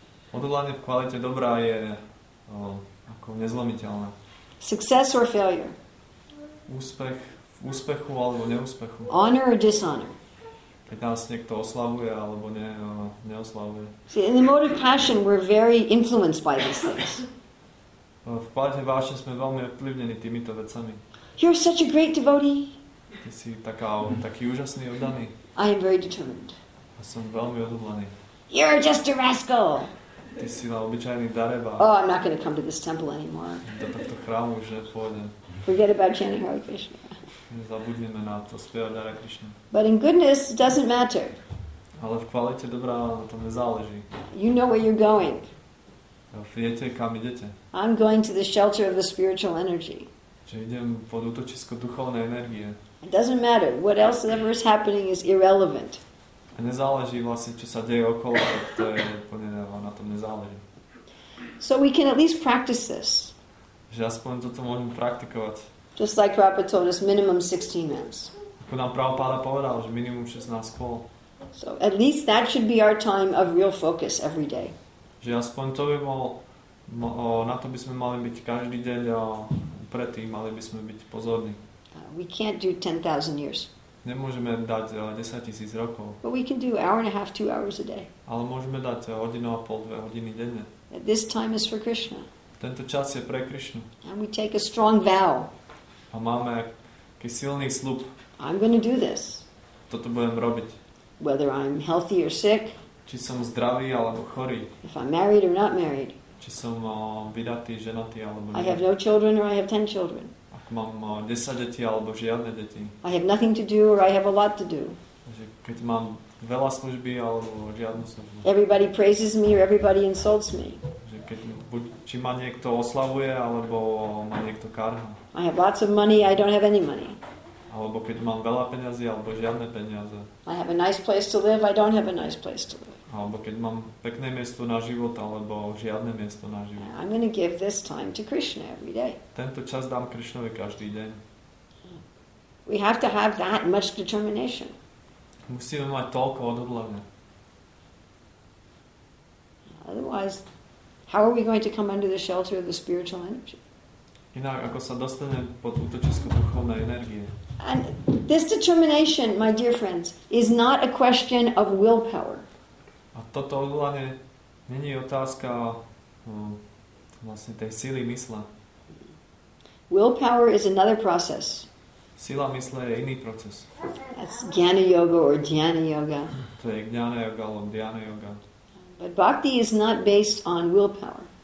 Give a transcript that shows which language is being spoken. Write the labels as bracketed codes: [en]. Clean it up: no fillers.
[sk] Odhodlanie v kvalite dobrá je ako nezlomiteľné. [en] Success or failure. [sk] Úspech v úspechu alebo neúspechu. [en] Honor or dishonor. [sk] Keď nás niekto oslavuje alebo neoslavuje. [en] See, in the mode of passion, we're very influenced by these things. [sk] V páte vášne sme veľmi ovplyvnení týmito vecami. [en] You're such a great devotee. [sk] Ty si taký úžasný oddaný. [en] I am very determined. [sk] A som veľmi odhodlaný. [en] You're just a rascal. [sk] Ty si na obyčajný dareba. [en] Oh, I'm not going to come to this temple anymore. [sk] Do tohto chrámu už nepôjdem. [en] Forget about chanting Hare Krishna. [sk] Zabudneme na to spievať Hare Krishna. [en] But in goodness, it doesn't matter. [sk] Ale v kvalite dobrá na tom nezáleží. [en] You know where you're going. [sk] Viete, kam idete. [en] I'm going to the shelter of the spiritual energy. [sk] Že idem pod útočisko duchovnej energie. [en] It doesn't matter. What else ever is happening is irrelevant. [sk] A nezáleží vlastne, čo sa deje okolo, tak to je úplne na tom nezáleží. [en] So we can at least practice this. [sk] Že aspoň toto môžeme praktikovať. [en] Just like Prabhupada told us, minimum 16 rounds. [sk] Ako nám Prabhupada povedal, že minimum 16 kôl. [en] So at least that should be our time of real focus every day. [sk] Že aspoň to by bol, na to by sme mali byť každý deň a predtým mali by sme byť pozorní. [en] We can't do 10,000 years. [sk] Nemôžeme dať 10,000 rokov. [en] But we can do hour and a half, 2 hours a day. [sk] Ale môžeme dať hodinu a pol, 2 hodiny denne. [en] And this time is for Krishna. [sk] Tento čas je pre Krishnu. [en] And we take a strong vow. [sk] A máme aký silný sľub. [en] I'm going to do this. [sk] Toto budem robiť. [en] Whether I'm healthy or sick. [sk] Či som zdravý alebo chorý. [en] If I'm married or not married. [sk] Či som vydatý, ženatý alebo nie. [en] I have no children or I have 10 children. [sk] Ak mám 10 detí alebo žiadne deti. [en] I have nothing to do or I have a lot to do. [sk] Takže keď mám veľa služby alebo žiadnu službu. [en] Everybody praises me or everybody insults me. [sk] Či ma niekto oslavuje alebo ma niekto karha. [en] I have lots of money, I don't have any money. [sk] Alebo keď mám veľa peňazí alebo žiadne peniaze. [en] I have a nice place to live, I don't have a nice place to live. [sk] Alebo keď mám pekné miesto na život alebo žiadne miesto na život. [en] I'm going to give this time to Krishna every day. [sk] Tento čas dám Krishnovi každý deň. [en] We have to have that much determination. [sk] Musíme mať toľko odhodlania. [en] Otherwise, how are we going to come under the shelter of the spiritual energy? [sk] inak ako sa dostane pod útočisko duchovnej energie. [en] And this determination, my dear friends, is not a question of willpower. [sk] A toto odhodlanie není otázka vlastne tej síly mysle. [en] Willpower is another process. [sk] Sila mysle je iný proces. [en] That's jnana yoga or dhyana yoga. [sk] To je jnana yoga alebo dhyana yoga. [en] But bhakti is not based on willpower.